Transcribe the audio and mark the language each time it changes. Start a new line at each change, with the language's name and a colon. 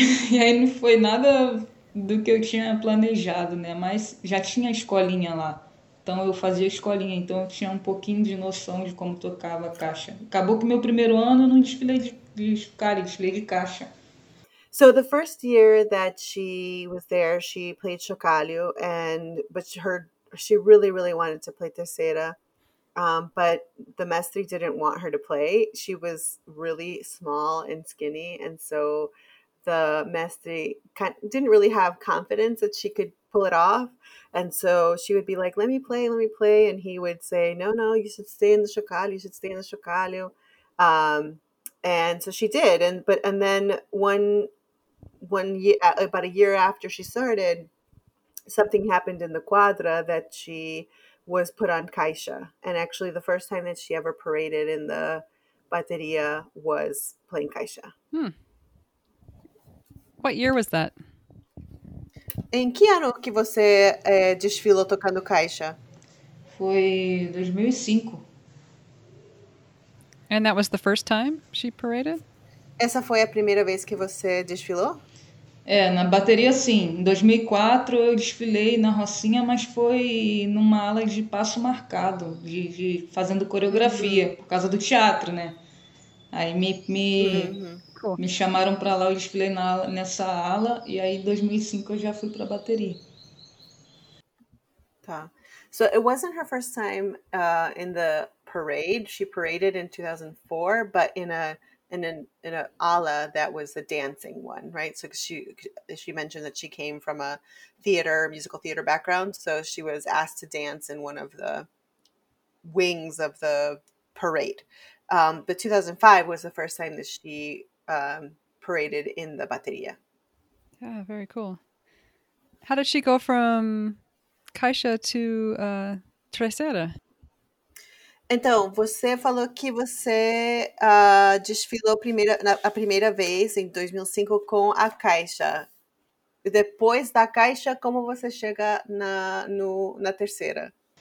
Portuguese: E aí não foi nada do que eu tinha planejado, né, mas já tinha escolinha lá, então eu fazia escolinha, então eu tinha um pouquinho de noção de como tocava caixa. Acabou que meu primeiro ano eu não desfilei de caixa.
English: So the first year that she was there, she played Chocalho, but she really, really wanted to play Terceira. But the Mestre didn't want her to play. She was really small and skinny. And so the Mestre didn't really have confidence that she could pull it off. And so she would be like, let me play. And he would say, no, you should stay in the Chocalho. And so she did. About a year after she started, something happened in the quadra that she was put on caixa. And actually the first time that she ever paraded in the bateria was playing caixa. Hmm. What year was that?
Portuguese: Em que ano que você desfilou tocando caixa? Foi 2005.
English: And that was the first time she paraded?
Portuguese: Essa foi a primeira vez que você desfilou? É, na bateria sim. Em 2004 eu desfilei na Rocinha, mas foi numa ala de passo marcado, de fazendo coreografia, uhum. Por causa do teatro, né? Aí me chamaram para lá, eu desfilei nessa ala, e aí em 2005 eu já fui para a bateria. Tá.
English: So it wasn't her first time in the parade. She paraded in 2004, but in a ala that was the dancing one, right? So she mentioned that she came from a theater, musical theater background. So she was asked to dance in one of the wings of the parade. But 2005 was the first time that she paraded in the bateria. Yeah, very cool. How did she go from caixa to Terceira?
Portuguese: Então, você falou que você desfilou a primeira vez em 2005 com a caixa. Depois da caixa, como você chega na terceira?